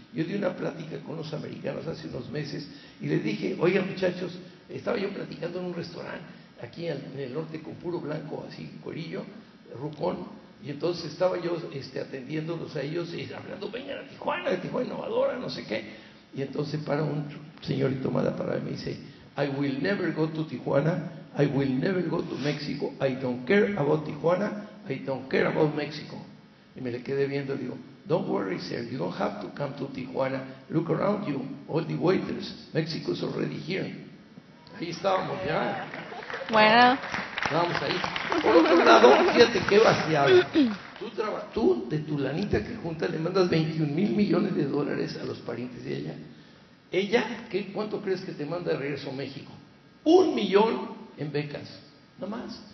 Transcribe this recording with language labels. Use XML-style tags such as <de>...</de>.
<es>Yo di una plática con los americanos hace unos meses y les dije, oiga muchachos, estaba yo platicando en un restaurante aquí en el norte con puro blanco, así, cuerillo, rucón, y entonces estaba yo atendiéndolos a ellos y hablando, vengan a Tijuana Innovadora, no sé qué. Y entonces para un señorito mala palabra me dice,</es> <en>I will never go to Tijuana, I will never go to Mexico, I don't care about Tijuana, I don't care about Mexico.</en> <es>Y me le quedé viendo y digo,</es> <en>don't worry sir, you don't have to come to Tijuana, look around you, all the waiters, Mexico's already here.</en> <es>Ahí estábamos ya. Bueno. Vamos ahí. Por otro lado, fíjate qué vaciado. Tú de tu lanita que junta le mandas 21 mil millones de dólares a los parientes de ella. Ella, ¿qué, cuánto crees que te manda de regreso a México? 1 millón en becas, nada más.</es>